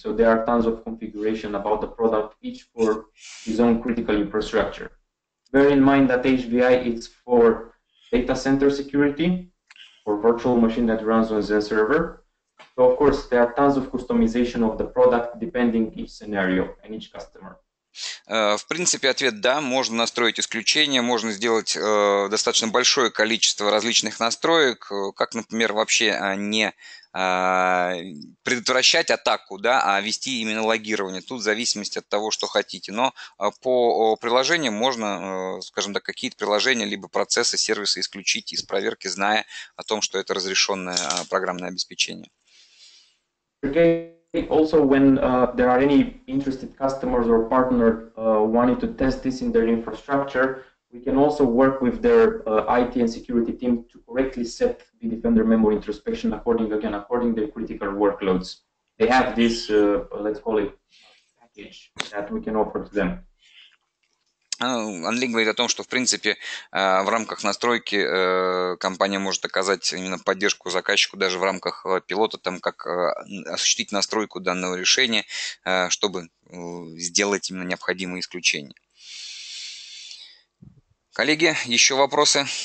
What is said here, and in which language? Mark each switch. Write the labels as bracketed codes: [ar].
[en] So there are tons of configuration about the product, each for its own critical infrastructure. Bear in mind that HVI is for data center security, for virtual machine that runs on Zen server. So of course, there are tons of customization of the product depending each scenario and each customer. [ru] В принципе, ответ да, можно настроить исключения, можно сделать достаточно большое количество различных настроек, как, например, вообще не предотвращать атаку, да, а вести именно логирование. Тут в зависимости от того, что хотите. Но по приложениям можно, скажем так, какие-то приложения либо процессы, сервисы исключить из проверки, зная о том, что это разрешенное программное обеспечение. [en] Okay. Also, when there are any interested customers or partners wanting to test this in their infrastructure, we can also work with their IT and security team to correctly set the Bitdefender memory introspection according to their critical workloads. They have this, let's call it, package that we can offer to them. [ru] Андрей говорит о том, что, в принципе, в рамках настройки компания может оказать именно поддержку заказчику даже в рамках пилота, там, как осуществить настройку данного решения, чтобы сделать именно необходимые исключения. Коллеги, еще вопросы?